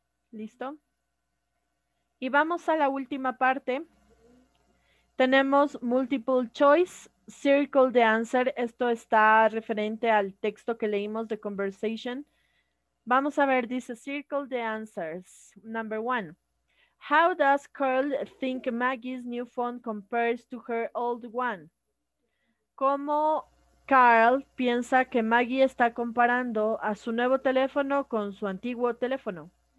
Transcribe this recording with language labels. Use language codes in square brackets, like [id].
[es] ¿Listo? Y vamos a la última parte. Tenemos [en] multiple choice. Circle the answer. [es] Esto está referente al texto que leímos de conversation. Vamos a ver, dice [en] circle the answers. Number one. How does Carl think Maggie's new phone compares to her old one? [es] ¿Cómo Carl piensa que Maggie está comparando a su nuevo teléfono con su antiguo teléfono?